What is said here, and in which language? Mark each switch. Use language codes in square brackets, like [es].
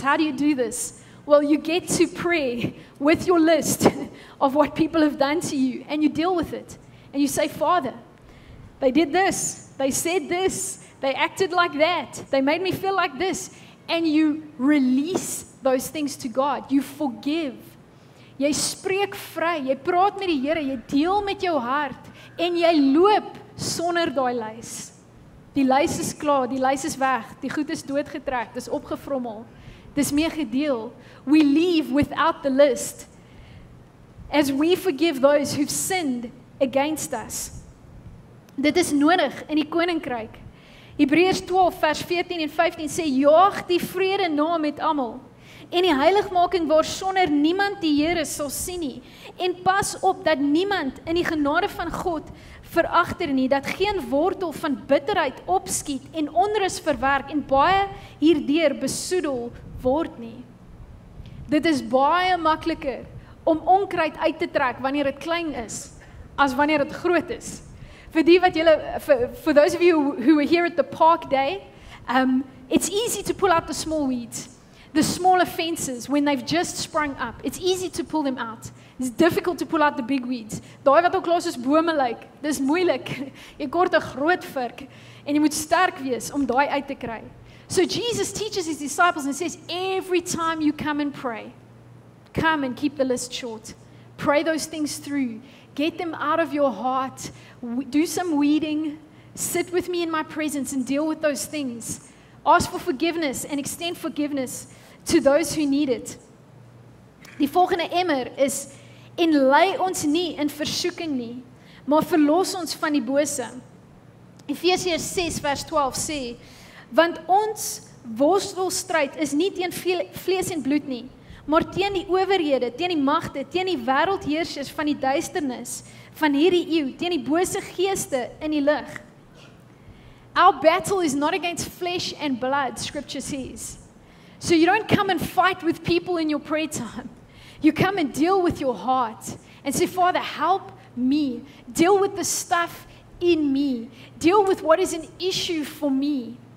[en] How do you do this? Well, you get to pray with your list of what people have done to you, and you deal with it. And you say, Father, they did this, they said this, they acted like that, they made me feel like this. And you release those things to God. You forgive. [af] Jy spreek vry, jy praat met die Here, jy deel met jou hart, en jy loop sonder daai lys. Die lys is klaar, die lys is weg, die goed is doodgetrek, dis opgevrommel, dis meer gedeel. [en] We leave without the list as we forgive those who've sinned against us. [af] Dit is nodig in die koninkryk. Hebreërs 12 vers 14 en 15 sê, jaag die vrede na met almal en die heiligmaking waar sonder niemand die Here sal sien nie. En pas op dat niemand in die genade van God verachter nie, dat geen wortel van bitterheid opskiet en onrus verwerk en baie hierdeur besoedel word nie. Dit is baie makliker om onkruid uit te trek wanneer het klein is, as wanneer het groot is. Vir die wat julle, [en] for those of you who were here at the park day, it's easy to pull out the small weeds, the small offenses when they've just sprung up. It's easy to pull them out. It's difficult to pull out the big weeds. [af] Daai wat al klaar soos bome lyk, dis moeilik. Jy kort 'n groot vurk en jy moet sterk wees om daai uit te kry. [en] So Jesus teaches his disciples and says, every time you come and pray, come and keep the list short. Pray those things through. Get them out of your heart. Do some weeding. Sit with me in my presence and deal with those things. Ask for forgiveness and extend forgiveness to those who need it. [af] Die volgende emmer is, en lei ons nie in versoeking nie, maar verlos ons van die bose. Efesiërs 6 vers 12 sê, want ons worstelstryd is nie teen vlees en bloed nie, maar teen die owerhede, teen die magte, teen die wêreldheersers van die duisternis, van hierdie eeu, teen die bose geeste in die lig. [en] Our battle is not against flesh and blood, scripture says. So you don't come and fight with people in your prayer time. You come and deal with your heart and say, Father, help me. Deal with the stuff in me. Deal with what is an issue for me.